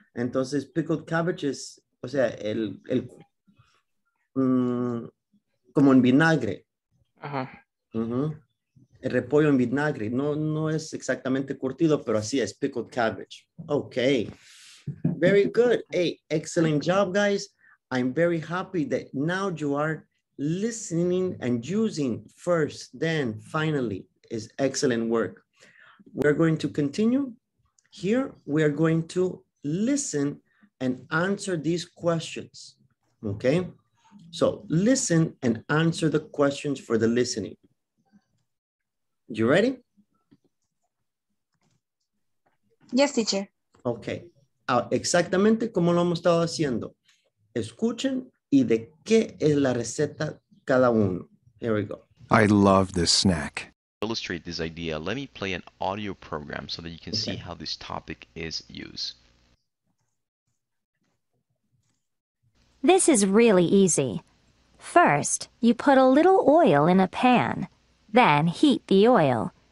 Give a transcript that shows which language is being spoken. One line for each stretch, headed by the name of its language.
Spanish: Entonces,
English: pickled cabbage
Spanish: es, o sea, el como en vinagre. Ajá. Uh-huh. El repollo en vinagre. No es exactamente curtido, pero así es,
English: pickled cabbage. Okay. Very good. Hey, excellent job, guys. I'm very happy that now you are listening and using first, then finally. Is excellent work. We're going to continue. Here, we are going to listen and answer these questions, okay? So listen and answer the questions for the listening. You ready? Yes, teacher.
Spanish: Okay. Exactamente como lo hemos estado haciendo. escuchen y de qué es la receta cada uno.
English: Here we go. I love this snack. To illustrate this idea, let me play an audio program so that you can see how this topic is used. This is really easy. First, you put a little oil in a pan, then heat the oil.